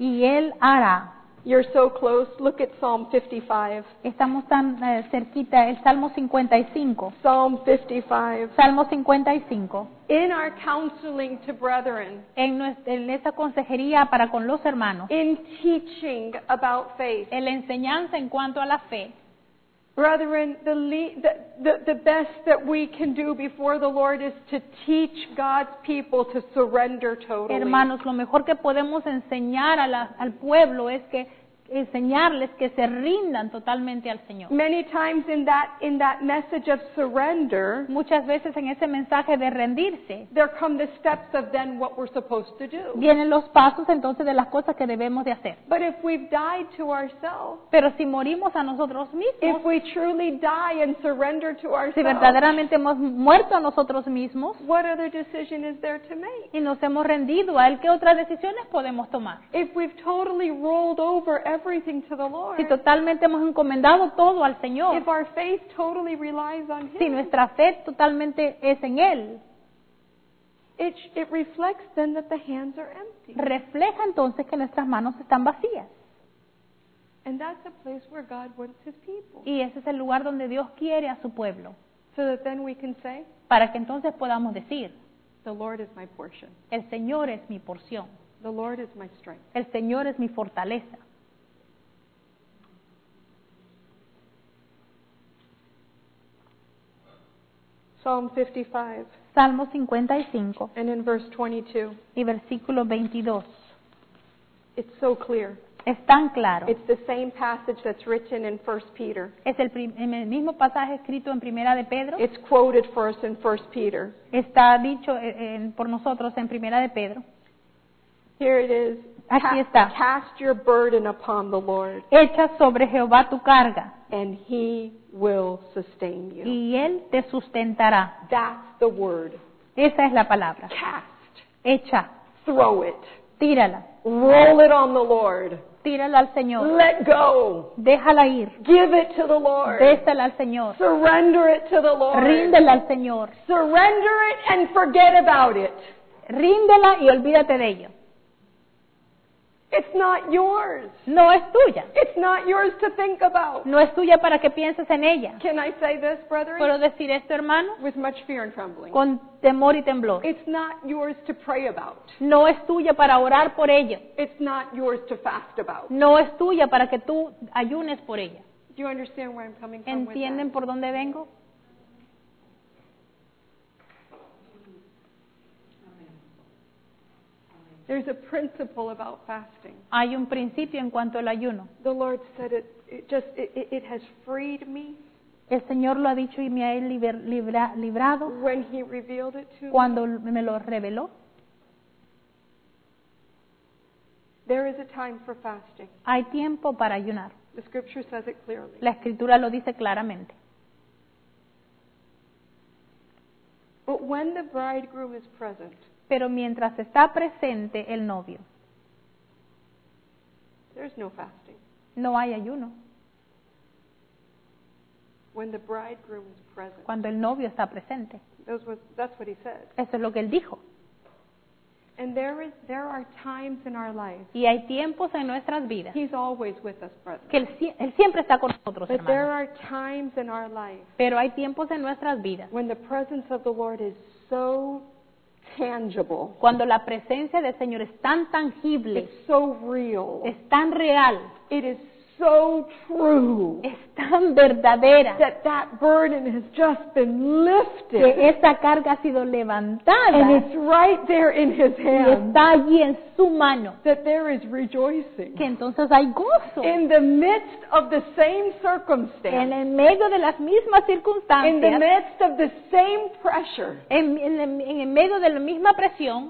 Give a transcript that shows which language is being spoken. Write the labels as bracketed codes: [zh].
[es] Y él hará. [en] You're so close. Look at Psalm 55. [es] Estamos tan cerquita. El Salmo 55. [en] Psalm 55. [es] Salmo 55. [en] In our counseling to brethren. [es] En esta consejería para con los hermanos. [en] In teaching about faith. [es] En la enseñanza en cuanto a la fe. [en] Brethren, the best that we can do before the Lord is to teach God's people to surrender totally. [es] Hermanos, lo mejor que podemos enseñar al pueblo es que enseñarles que se rindan totalmente al Señor. [en] Many times in that message of surrender, [es] muchas veces en ese mensaje de rendirse, [en] there come the steps of then what we're supposed to do. [es] Vienen los pasos entonces de las cosas que debemos de hacer. [en] But if we've died to ourselves, [es] pero si morimos a nosotros mismos, [en] if we truly die and surrender to ourselves, [es] si verdaderamente hemos muerto a nosotros mismos, [en] what other decision is there to make? [es] Y nos hemos rendido a él, ¿qué otras decisiones podemos tomar? [en] If we've totally rolled over everything to the Lord. [es] Si totalmente hemos encomendado todo al Señor. [en] If our faith totally relies on him. [es] Si nuestra fe totalmente es en él. [en] It reflects then that the hands are empty. [es] Refleja entonces que nuestras manos están vacías. [en] And that's the place where God wants his people. [es] Y ese es el lugar donde Dios quiere a su pueblo. [en] So that then we can say, [es] para que entonces podamos decir, [en] the Lord is my portion. [es] El Señor es mi porción. [en] The Lord is my strength. [es] El Señor es mi fortaleza. [en] Psalm 55. [es] Salmo 55. [en] And in verse 22. [es] Y versículo 22. [en] It's so clear. [es] Es tan claro. [en] It's the same passage that's written in 1 Peter. [es] Es el mismo pasaje escrito en Primera de Pedro. [en] It's quoted for us in 1 Peter. [es] Está dicho por nosotros en Primera de Pedro. [en] Here it is. [es] Aquí está. [en] Cast your burden upon the Lord. [es] Echa sobre Jehová tu carga. [en] And he will sustain you. [es] Y él te sustentará. [en] That's the word. [es] Esa es la palabra. [en] Cast. [es] Echa. [en] Throw it. [es] Tírala. [en] Roll it on the Lord. [es] tírala al Señor. [en] Let go. [es] Déjala ir. [en] Give it to the Lord. [es] Désela al Señor. [en] Surrender it to the Lord. [es] Ríndela al Señor. [en] Surrender it and forget about it. [es] Ríndela y olvídate de ello. [en] It's not yours. [es] No es tuya. [en] It's not yours to think about. [es] No es tuya para que pienses en ella. [en] Can I say this, brethren? [es] ¿Puedo decir esto, hermano? [en] With much fear and trembling. [es] Con temor y temblor. [en] It's not yours to pray about. [es] No es tuya para orar por ella. [en] It's not yours to fast about. [es] No es tuya para que tú ayunes por ella. [en] Do you understand where I'm coming from? [es] ¿Entienden por dónde vengo? [en] There's a principle about fasting. [es] Hay un principio en cuanto al ayuno. [en] The Lord said it has freed me. [es] El Señor lo ha dicho y me ha librado. [en] When he revealed it to me. [es] Cuando me lo reveló. [en] There is a time for fasting. [es] Hay tiempo para ayunar. [en] The scripture says it clearly. [es] La escritura lo dice claramente. [en] But when the bridegroom is present. [es] Pero mientras está presente el novio, [en] there's no fasting. [es] No hay ayuno. [en] When the bridegroom is present. [es] Cuando el novio está presente. [en] That's what he said. [es] Eso es lo que él dijo. [en] And there are times in our lives. [es] Y hay tiempos en nuestras vidas. [en] He's always with us, brother. [es] Que él siempre está con nosotros, [en] hermano. But there are times in our lives. [es] Pero hay tiempos en nuestras vidas. [en] When the presence of the Lord is so tangible. [es] Cuando la presencia del Señor es tan tangible. [en] It's so real. [es] Es tan real. [en] It is so true. [es] Es tan verdadera. [en] That burden has just been lifted. [es] Que esa carga ha sido levantada. [en] And it's right there in his hand. [es] Y está allí en su mano. [en] That there is rejoicing. [es] Que entonces hay gozo. [en] In the midst of the same circumstance. [es] En el medio de las mismas circunstancias. [en] In the midst of the same pressure. [es] En el medio de la misma presión.